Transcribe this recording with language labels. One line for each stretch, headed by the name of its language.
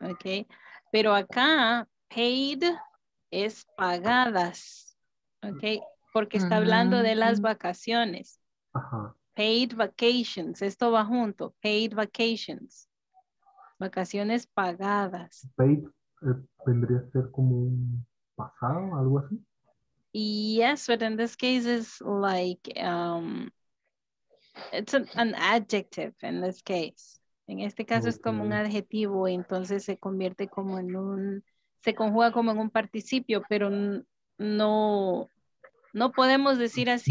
Spanish: Ok, pero acá, paid es pagadas, ¿ok? Porque está hablando de las vacaciones. Ajá.
English: Paid vacations,
Spanish: esto va junto,
English: paid vacations.
Spanish: Vacaciones pagadas. Paid vendría a ser como un pasado, algo así.
English: Yes, but in this case it's like, it's an adjective in this case.
Spanish: En este caso es como un adjetivo, entonces se convierte como en un... Se conjuga como en un participio, pero no podemos decir así.